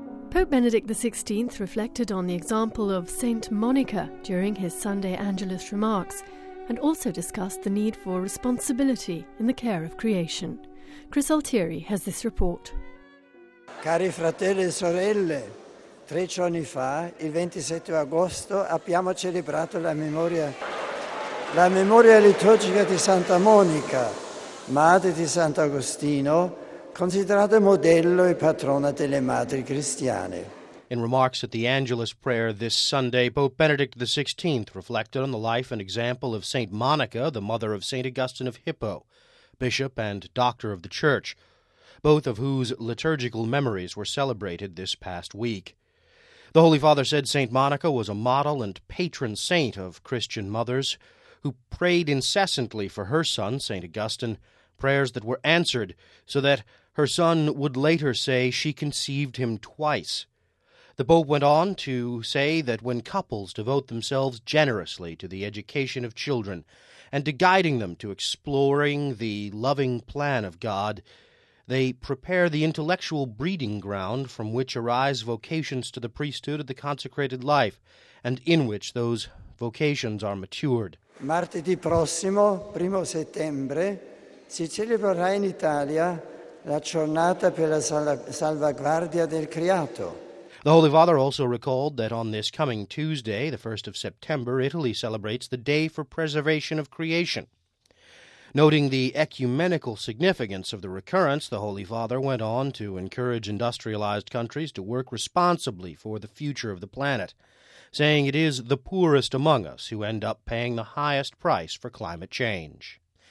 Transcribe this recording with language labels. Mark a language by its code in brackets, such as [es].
[en] Pope Benedict XVI reflected on the example of Saint Monica during his Sunday Angelus remarks and also discussed the need for responsibility in the care of creation. Chris Altieri has this report. [it] Cari fratelli e sorelle, 3 giorni fa, il 27 agosto, abbiamo celebrato la memoria liturgica di Santa Monica, madre di Sant'Agostino, considerata modello e patrona delle madri cristiane. [en] In remarks at the Angelus prayer this Sunday, Pope Benedict XVI reflected on the life and example of Saint Monica, the mother of Saint Augustine of Hippo, bishop and doctor of the Church, both of whose liturgical memories were celebrated this past week. The Holy Father said Saint Monica was a model and patron saint of Christian mothers who prayed incessantly for her son, Saint Augustine, prayers that were answered so that her son would later say she conceived him twice. The Pope went on to say that when couples devote themselves generously to the education of children and to guiding them to exploring the loving plan of God, they prepare the intellectual breeding ground from which arise vocations to the priesthood of the consecrated life and in which those vocations are matured. [it] Martedì prossimo, 1 settembre, si celebrerà in Italia la giornata per la salvaguardia del creato. [en] The Holy Father also recalled that on this coming Tuesday, the 1st of September, Italy celebrates the Day for Preservation of Creation. Noting the ecumenical significance of the recurrence, the Holy Father went on to encourage industrialized countries to work responsibly for the future of the planet, saying it is the poorest among us who end up paying the highest price for climate change.